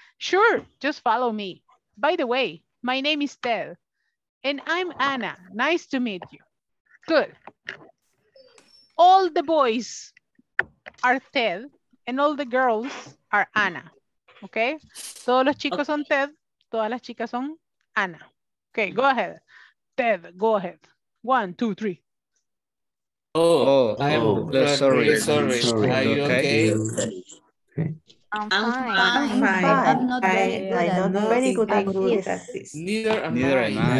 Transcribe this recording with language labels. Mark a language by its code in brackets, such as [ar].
[en] Sure, just follow me. By the way, my name is Ted and I'm Anna. Nice to meet you. Good. All the boys are Ted and all the girls are Anna, okay? [es] Todos los chicos son Ted, todas las chicas son Anna. [en] Okay, go ahead. Ted, go ahead. 1, 2, 3. I'm fine, but I'm not very good at this. Neither am I.